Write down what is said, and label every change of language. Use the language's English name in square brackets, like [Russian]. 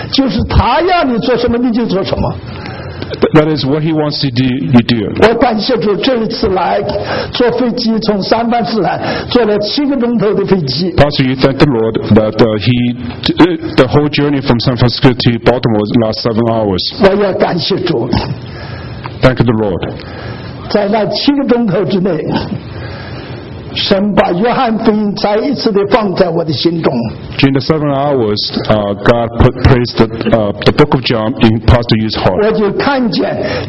[Chinese] 就是他要你做什么你就做什么。 [English] That is what he wants to do, you do it. [Chinese] 我感谢主这一次来坐飞机从三藩市来坐了7个钟头的飞机。 [English] Pastor, you thank the Lord that the whole journey from San Francisco to Baltimore last 7 hours. [Chinese] 我要感谢主。 [English] Thank the Lord. [Chinese] 在那7个钟头之内, 神把约翰福音再一次地放在我的心中。 [English] During the 7 hours, God placed the book of John in Pastor Yu's heart.